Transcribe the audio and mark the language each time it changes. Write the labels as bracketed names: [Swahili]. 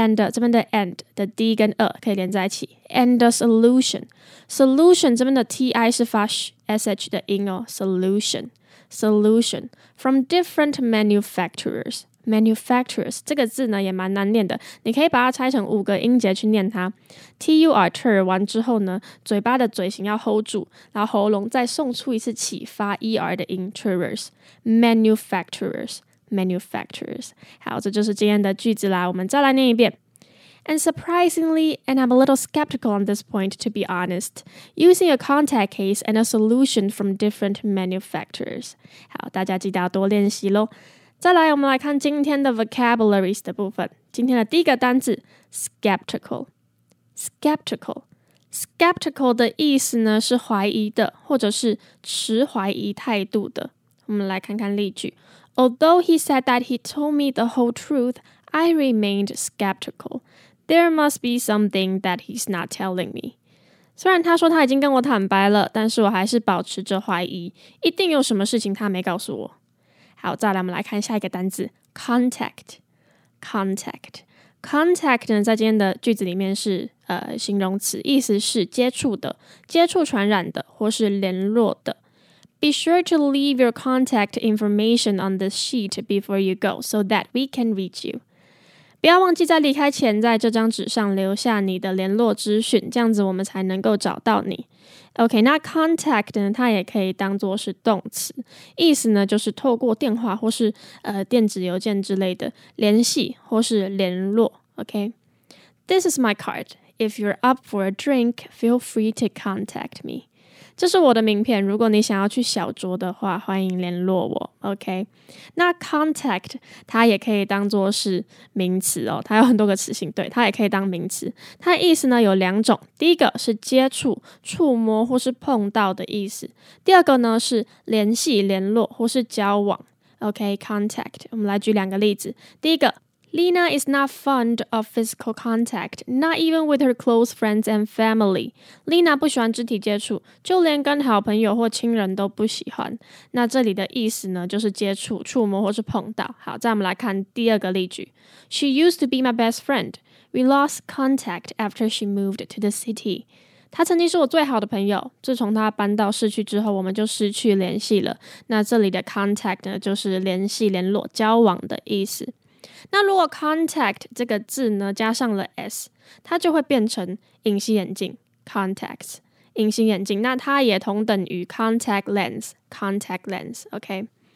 [Chinese] 这边的 and 的 D 跟 a 可以连在一起 [English] and a solution [Chinese] 这边的 TI 是发 SH 的音哦 solution [English] from different manufacturers [Chinese] 这个字呢也蛮难念的你可以把它拆成五个音节去念它 TUR 完之后呢嘴巴的嘴型要 hold 住然后喉咙再送出一次气发 ER 的音 manufacturers. 好，这就是今天的句子啦，我们再来念一遍。 [English] And surprisingly, and I'm a little skeptical on this point, to be honest, using a contact case and a solution from different manufacturers. [Chinese] 好，大家记得要多练习咯。再来，我们来看今天的 vocabularies 的部分。今天的第一个单字 skeptical. Skeptical 的意思呢，是怀疑的，或者是持怀疑态度的。我们来看看例句。 [English] Although he said that he told me the whole truth, I remained skeptical. There must be something that he's not telling me. [Chinese] 虽然他说他已经跟我坦白了，但是我还是保持着怀疑，一定有什么事情他没告诉我。好，再来我们来看下一个单字 contact. [English] Contact. [Chinese] Contact 呢，在今天的句子里面是形容词，意思是接触的、接触传染的或是联络的。 [English] Be sure to leave your contact information on this sheet before you go so that we can reach you. [Chinese] 不要忘记在离开前在这张纸上留下你的联络资讯，这样子我们才能够找到你。 OK, 那 contact 呢，它也可以当作是动词，意思呢就是透过电话或是电子邮件之类的联系或是联络。 [English] OK, This is my card. If you're up for a drink, feel free to contact me. [Chinese] 这是我的名片，如果你想要去小酌的话，欢迎联络我。 OK, 那 contact 它也可以当作是名词哦，它有很多个词性，对，它也可以当名词，它的意思呢有两种，第一个是接触、触摸或是碰到的意思，第二个呢是联系、联络或是交往。 OK, contact, 我们来举两个例子。第一个， [English] Lena is not fond of physical contact, not even with her close friends and family. [Chinese] Lena 不喜欢肢体接触，就连跟好朋友或亲人都不喜欢。那这里的意思呢，就是接触、触摸或是碰到。好，再我们来看第二个例句。 [English] She used to be my best friend. We lost contact after she moved to the city. [Chinese] 她曾经是我最好的朋友，自从她搬到市区之后，我们就失去联系了。那这里的 contact 呢，就是联系、联络、交往的意思。那如果 contact 这个字呢加上了 s, 它就会变成隐形眼镜 contacts, 隐形眼镜，那它也同等于 contact lens, contact lens, OK?